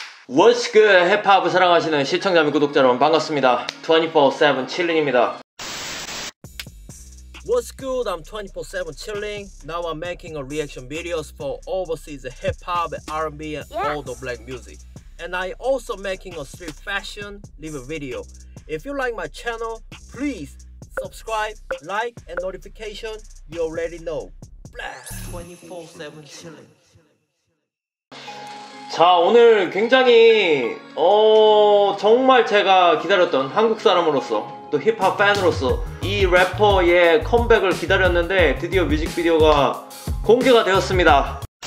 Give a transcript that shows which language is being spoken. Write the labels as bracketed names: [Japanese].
[English] What's good, [Korean] 힙합 사랑하시는 시청자 및 구독자 여러분 반갑습니다. 24/7 chilling입니다. [English] What's good, I'm 24/7 chilling. Now I'm making a reaction videos for overseas hip-hop, R&B, and all the black music. And I also making a street fashion live video. If you like my channel, please subscribe, like, and notification, you already know. Blast! 24/7 chilling. [Korean] 자, 오늘 굉장히 정말 제가 기다렸던 한국 사람으로서 또 힙합 팬으로서 이 래퍼의 컴백을 기다렸는데 드디어 뮤직비디오가 공개가 되었습니다.